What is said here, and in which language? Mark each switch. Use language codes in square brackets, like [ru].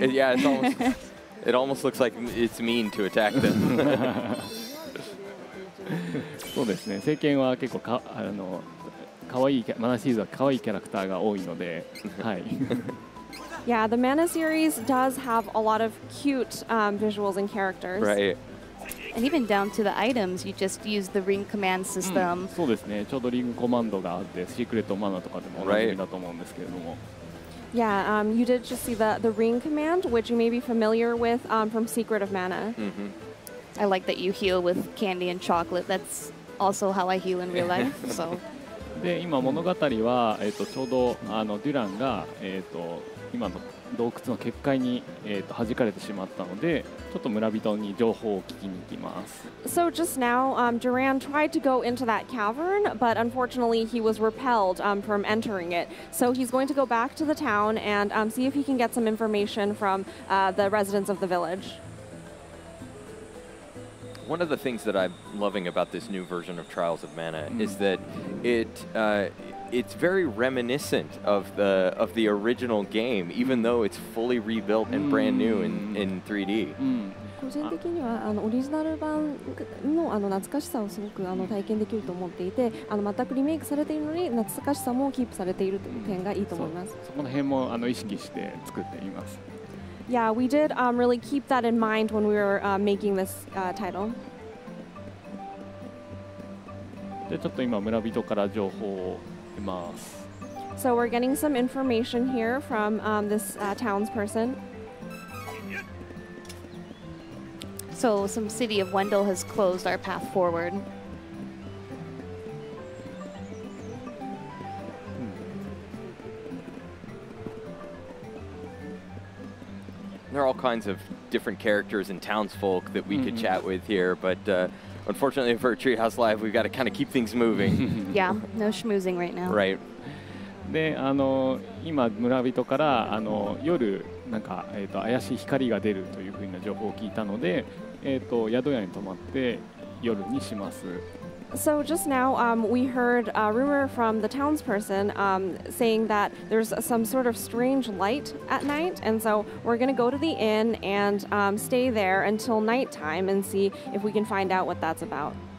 [en] It's almost it almost looks like it's mean to attack them. [ja] そうですね。聖剣は結構か、あの、かわいい、マナシーズはかわいいキャラクターが多いので、はい。 [en] Yeah, the Mana series does have a lot of cute visuals and characters. Right. And even down to the items, you just use the ring command system. [ja] そうですね。ちょうどリングコマンドがあって、シークレットマナとかでも同じだと思うんですけれども。 [en] Yeah, you did just see the ring command, which you may be familiar with from Secret of Mana. Mm-hmm. I like that you heal with candy and chocolate. That's also how I heal in real life. So. [ja] で、今物語は、ちょうどあのデュランが、今の洞窟の結界に、弾かれてしまったので、ちょっと村人に情報を聞きに行きます。 [en] So just now, Duran tried to go into that cavern, but unfortunately he was repelled from entering it. So he's going to go back to the town and see if he can get some information from the residents of the village. One of the things that I'm loving about this new version of Trials of Mana is that it's very reminiscent of the original game, even though it's fully rebuilt and brand new in 3D. [ja] 個人的にはオリジナル版 の, 懐かしさをすごく体験できると思っていて全くリメイクされているのに懐かしさもキープされているという点がいいと思います。そこの辺も意識して作っています。 [en] Yeah, we did really keep that in mind when we were making this title. [ja] で、ちょっと今村人から情報を得ます。 [en] So we're getting some information here from this townsperson. So some city of Wendell has closed our path forward. There are all kinds of different characters and townsfolk that we could chat with here, but unfortunately for Treehouse Live, we've got to kind of keep things moving. Yeah, no schmoozing right now. Right. [ja] で、今村人から夜なんか怪しい光が出るというふうな情報を聞いたので、宿屋に泊まって夜にします。 [en] So just now, we heard a rumor from the townsperson saying that there's some sort of strange light at night, and so we're going to go to the inn and stay there until nighttime and see if we can find out what that's about.